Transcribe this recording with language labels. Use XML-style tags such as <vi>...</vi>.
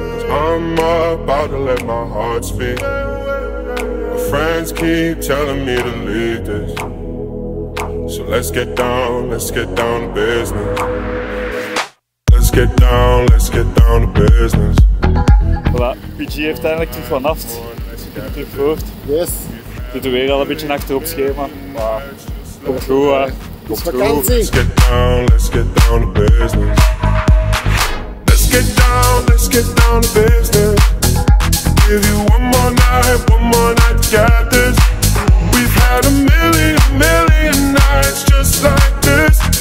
<en>I'm about to let my heart speak. My friends keep telling me to leave this. So let's get down to business. let's get down to business.</en> <nl>Voilà, PG heeft eindelijk terug vanaf. Ik heb het terug gehoord.</nl> <en>Yes.</en> <nl>Zit er weer al een beetje achter op schema. Maar, komt goed, hè. Komt goed.</nl> <en>Let's get down, let's get down to business. Let's get down to business. Give you one more night to get this. We've had a million nights just like this.</en>